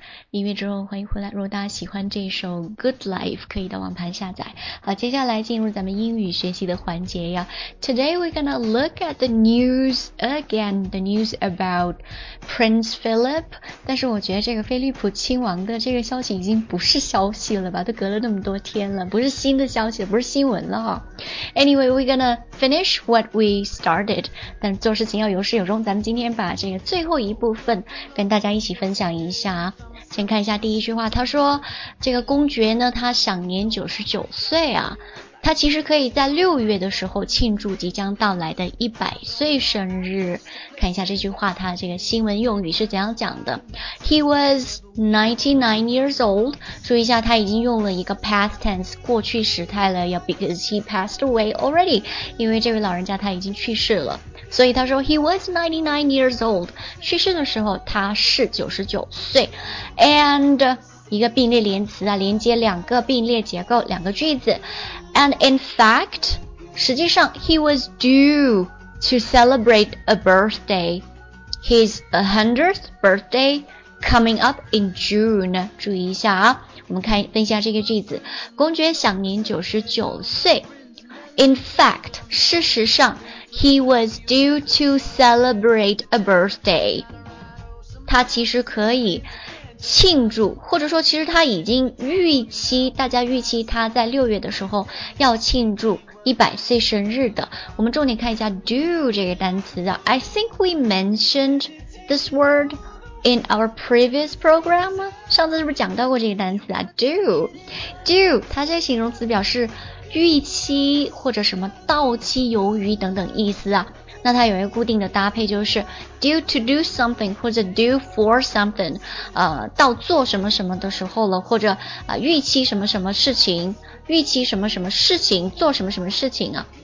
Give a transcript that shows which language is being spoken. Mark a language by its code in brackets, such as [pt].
[zh] 音乐之后欢迎回来，如果大家喜欢这首 Good Life 可以到网盘下载。好，接下来进入咱们英语学习的环节呀。 [en] Today we're gonna look at the news again, the news about Prince Philip [zh] 但是我觉得这个菲利普亲王的这个消息已经不是消息了吧，都隔了那么多天了，不是新的消息，不是新闻了哈。 [en] Anyway, we're gonna finish what we started, [zh] 但做事情要有始有终，咱们今天把这个最后一部分跟大家一起分享一下。先看一下第一句话，他说这个公爵呢，他享年99岁啊，他其实可以在六月的时候庆祝即将到来的100岁生日。看一下这句话，他这个新闻用语是怎样讲的。 [en] He was 99 years old. [zh] 注意一下，他已经用了一个 past tense 过去时态了，要 [en] because he passed away already. [zh] 因为这位老人家他已经去世了。所以他说 [en] He was 99 years old. [zh] 去世的时候他是99岁。 And 一个并列连词啊，连接两个并列结构，两个句子。 [en] And in fact, [zh] 实际上 [en] he was due to celebrate a birthday. His 100th birthday coming up in June. [zh] 注意一下啊，我们看分析一下这个句子。公爵享年99岁。 [en] In fact, [zh] 事实上 [en] he was due to celebrate a birthday. [zh] 他其实可以庆祝，或者说其实他已经预期，大家预期他在六月的时候要庆祝100岁生日的。我们重点看一下 do 这个单词啊。 [en] I think we mentioned this word in our previous program. [zh] 上次是不是讲到过这个单词啊？do 它这形容词表示预期或者什么到期由于等等意思啊。那它有一个固定的搭配，就是 [en] due to do something [zh] 或者 [en] due for something， [zh] 到做什么什么的时候了，或者预期什么什么事情，预期什么什么事情，做什么什么事情啊。